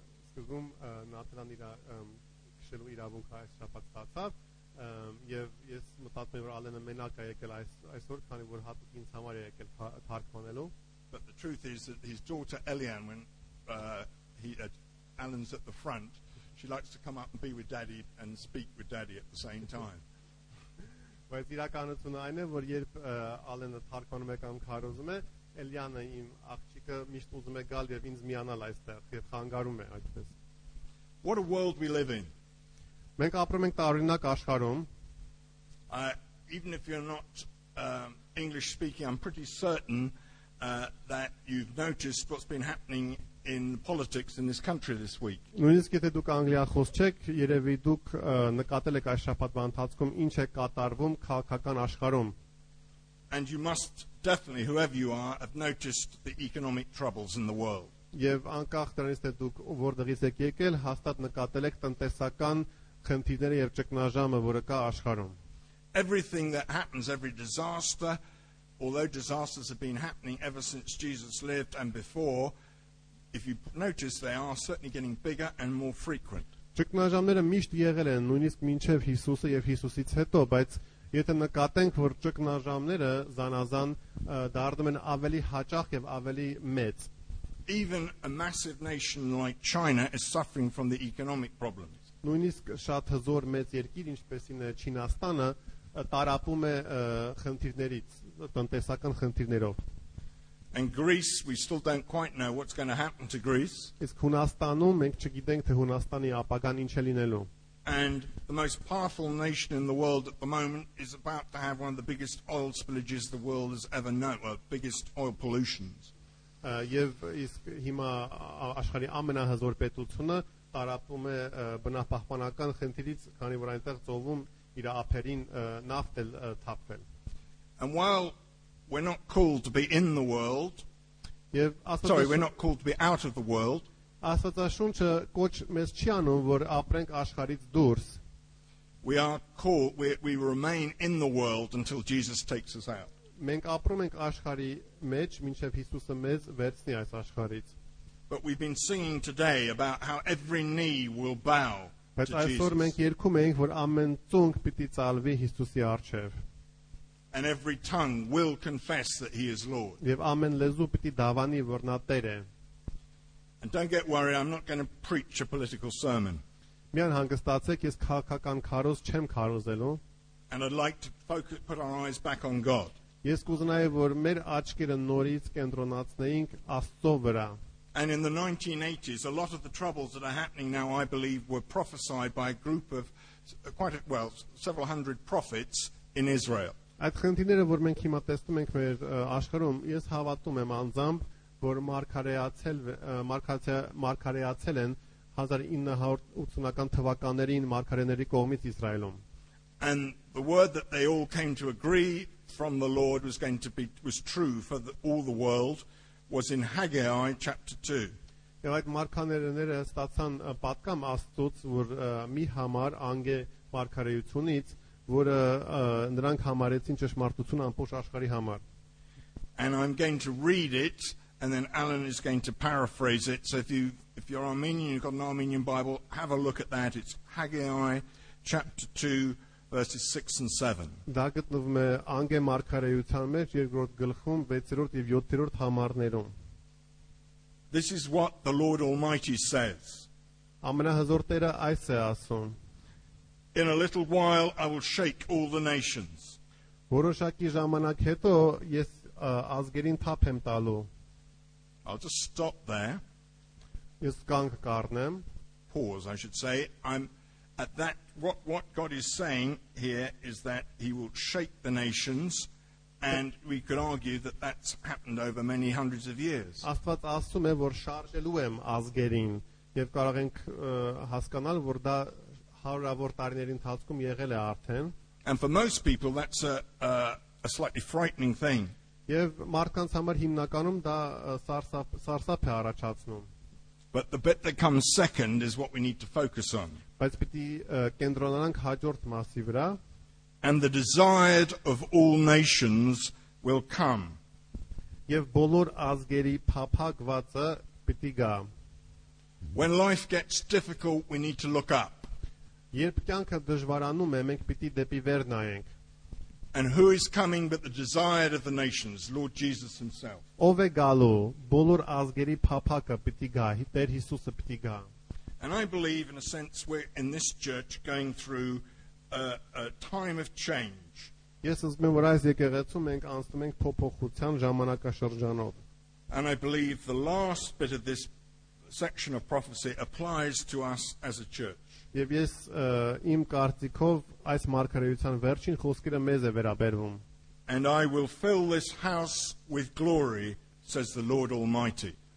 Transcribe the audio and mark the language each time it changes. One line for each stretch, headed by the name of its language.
Armenian: Սկզում Նատալան իր քշելու իրավունք այս շաբաթ ստացավ, եւ ես մտածում եմ որ Ալենը մենակ է եկել այսօր, քանի որ հատուկ ինձ համար է եկել թարգմանելու.
English: But the truth is that his daughter Eliane, when Alan's at the front, she likes to come up and be with daddy and speak with daddy at the same time.
Armenian: Բայց իրականությունը այն է, որ երբ Ալենը թարգմանում է կամ քարոզում է, Էլիանը իմ աղջիկը միշտ ուզում է գալ եւ ինձ միանալ այստեղ եւ խանգարում է այդպես.
English: What a world we live in.
Armenian: Մենք ապրում ենք տարօրինակ աշխարհում.
English: Even if you're not English speaking, I'm pretty certain that you've noticed what's been happening in politics in this country this week.
Armenian: Նույնիսկ եթե դուք Անգլիա խոսչեք, երևի դուք նկատել եք այս շաբաթվա ընթացքում ինչ է կատարվում քաղաքական աշխարհում.
English: And you must definitely, whoever you are, have noticed the economic troubles in the world.
Armenian: Եվ անկախ դրանից թե դուք որտեղից եք եկել, հաստատ նկատել եք տնտեսական խնդիրները եւ ճգնաժամը, որը կա աշխարհում.
English: Everything that happens, every disaster, although disasters have been happening ever since Jesus lived and before, if you notice, they are certainly getting bigger and more frequent.
Armenian: Ճգնաժամները միշտ եղել են, նույնիսկ մինչև Հիսուսը եւ Հիսուսից հետո, բայց եթե նկատենք, որ ճգնաժամները զանազան դառնում են ավելի հաճախ եւ ավելի մեծ.
English: Even a massive nation like China is suffering from the economic problems.
Armenian: Նույնիսկ շատ հզոր մեծ երկիր, ինչպես ինը Չինաստանը, տարապում է խնդիրներից, տնտեսական խնդիրներով.
English: And Greece, we still don't quite know what's going to happen to Greece.
Armenian: Իսկ Հունաստանում մենք չգիտենք թե Հունաստանի ապագան ինչ է լինելու.
English: And the most powerful nation in the world at the moment is about to have one of the biggest oil spillages the world has ever known, or biggest oil pollutions.
Armenian: Եվ իսկ հիմա աշխարհի ամենահզոր պետությունը տարապում է բնապահպանական խնդիրից, քանի որ այնտեղ ծովում իր ափերին նավթ է թափվել.
English: And while we're not called to be in the world. Sorry, we're not called to be out of the world.
Armenian: Աստվածաշունչը կոչ մեզ չի անում, որ ապրենք աշխարից դուրս.
English: We are called, we remain in the world until Jesus takes us out.
Armenian: Մենք ապրում ենք աշխարի մեջ, մինչև Հիսուսը մեզ վերցնի այս աշխարից.
English: But we've been singing today about how every knee will bow to Jesus.
Armenian: Բայց այսօր մենք երգում ենք, որ ամեն ծունկ պիտի ծալվի Հիսուսի առջև.
English: And every tongue will confess that he is Lord.
Armenian: Եվ ամեն լեզու պիտի դավանի, որ նա Տեր է.
English: And don't get worried, I'm not going to preach a political sermon.
Armenian: Միան հանգստացեք, ես քաղաքական քարոզ չեմ քարոզելու.
English: And I'd like to focus, put our eyes back on God.
Armenian: Ես կուզենայի, որ մեր աչքերը նորից կենտրոնացնեինք Աստծո վրա.
English: And in the 1980s, a lot of the troubles that are happening now, I believe, were prophesied by a group of several hundred prophets in Israel.
Armenian: Այդ խնդիրները, որ մենք հիմա տեսնում ենք մեր աշխարհում, ես հավատում եմ անձամբ, որ մարգարեացել են 1980-ական թվականներին մարգարեների կողմից Իսրայելում.
English: And the word that they all came to agree from the Lord was going to be was true for all the world was in Haggai chapter 2.
Armenian: Եվ այդ մարգարեները ստացան պատգամ Աստծոց, որ մի համար անգե մարգարեությունից որը նրանք համարեցին ճշմարտություն ամբողջ աշխարհի համար։
English: And I'm going to read it and then Alan is going to paraphrase it. So if you're Armenian, you've got an Armenian Bible, have a look at that. It's Haggai chapter 2
Armenian: Դա գտնվում է Անգե մարգարեության մեջ երկրորդ գլխում 6-րդ եւ 7-րդ համարներում.
English: This is what the Lord Almighty says.
Armenian: Ամենահզոր Տերը այս է ասում.
English: In a little while I will shake all the nations.
Armenian: Որոշակի ժամանակ հետո ես ազգերին թափ եմ տալու.
English: I'll just stop there.
Armenian: Ես կանգ կառնեմ.
English: Pause, I should say. I'm at that. What God is saying here is that He will shake the nations, and we could argue that that's happened over many hundreds of years.
Armenian: Աստված ասում է, որ շարժելու եմ ազգերին, եւ կարող ենք հասկանալ, որ դա հարյուրավոր տարիների ընթացքում եղել է արդեն.
English: And for most people, that's a slightly frightening thing.
Armenian: Եվ մարդկանց համար հիմնականում դա սարսափ է առաջացնում.
English: But the bit that comes second is what we need to focus on.
Armenian: Բայց պիտի կենտրոնանանք հաջորդ մասի վրա.
English: And the desired of all nations will come.
Armenian: Եվ բոլոր ազգերի փափակվածը պիտի գա.
English: When life gets difficult, we need to look up.
Armenian: Երբ կյանքը դժվարանում է, մենք պիտի դեպի վեր նայենք.
English: And who is coming but the desired of the nations, Lord Jesus himself.
Armenian: Ով է գալու, բոլոր ազգերի փափակը պիտի գա, Տեր Հիսուսը պիտի գա.
English: And I believe, in a sense, we're in this church going through a time of change.
Armenian: Ես ասում եմ, որ այս եկեղեցում մենք անցնում ենք փոփոխության ժամանակաշրջանով.
English: And I believe the last bit of this section of prophecy applies to us as a church.
Armenian: Եվ ես իմ կարծիքով այս մարգարեության վերջին խոսքերը մեզ է վերաբերվում.
English: And I will fill this house with glory, says the Lord Almighty.